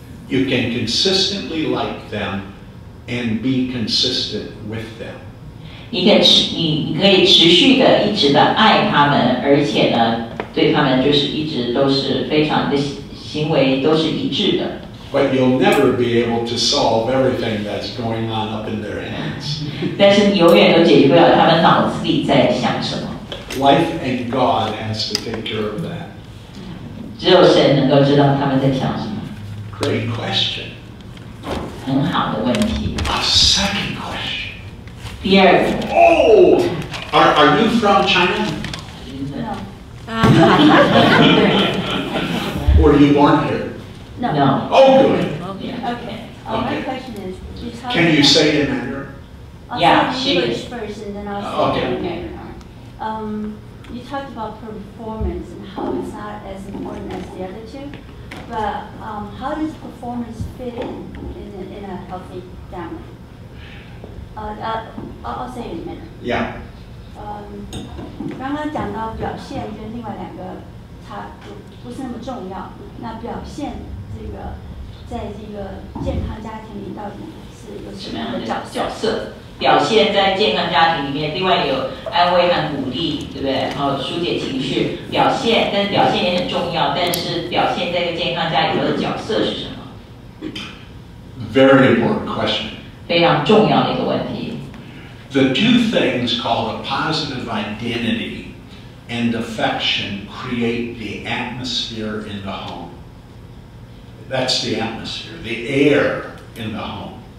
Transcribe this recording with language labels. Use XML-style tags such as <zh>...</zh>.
<en>you can consistently like them and be consistent with them.</en> <zh>你可以持续的一直的爱他们，而且呢，对他们就是一直都是非常的行为都是一致的。</zh> <en>But you'll never be able to solve everything that's going on up in their heads.</en> <zh>但是你永远都解决不了他们脑子里在想什么。</zh> <en>Life and God has to take care of that.</en> <zh>只有神能够知道他们在想什么。</zh> <en>Great question.</en> <zh>很好的问题。</zh> <en>A second question.</en> <zh>第二个。</zh> <en>Oh! Are you from China? No. Were you born here? No. Oh, good. Okay. My question is, can you say it in Mandarin? I'll say an English person, then I'll say an American art. You talked about performance and how it's not as important as the other two, but how does performance fit in a healthy family? I'll say it in a minute. Yeah.</en> <zh>刚刚讲到表现跟另外两个它不是那么重要，那表现这个在这个健康家庭里到底是有什么样的角色？表现在健康家庭里面，另外有安慰和鼓励，对不对？然后疏解情绪，表现，但表现也很重要。但是表现在一个健康家里头的角色是什么</zh> <en>？Very important question.</en> <zh>非常重要的一个问题。</zh> <en>The two things called a positive identity and affection create the atmosphere in the home. That's the atmosphere, the air in the home.</en>